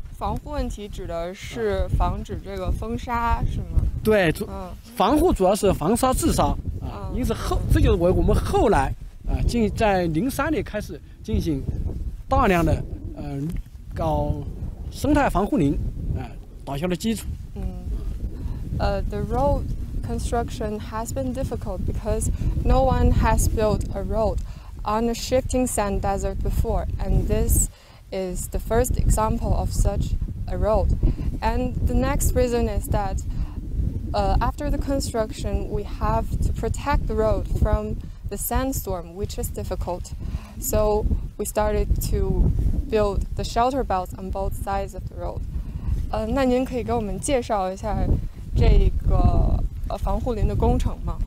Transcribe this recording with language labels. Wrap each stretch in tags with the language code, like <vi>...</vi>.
<zh>防护问题指的是防止这个风沙是吗？对，防护主要是防沙治沙因此这就是我们后来在2003年开始进行大量的搞生态防护林打下了基础。</zh> <en>The road construction has been difficult because no one has built a road on a shifting sand desert before, and this is the first example of such a road. And the next reason is that after the construction, we have to protect the road from the sandstorm, which is difficult. So we started to build the shelter belts on both sides of the road.</en> <zh>那您可以给我们介绍一下这个防护林的工程吗？</zh>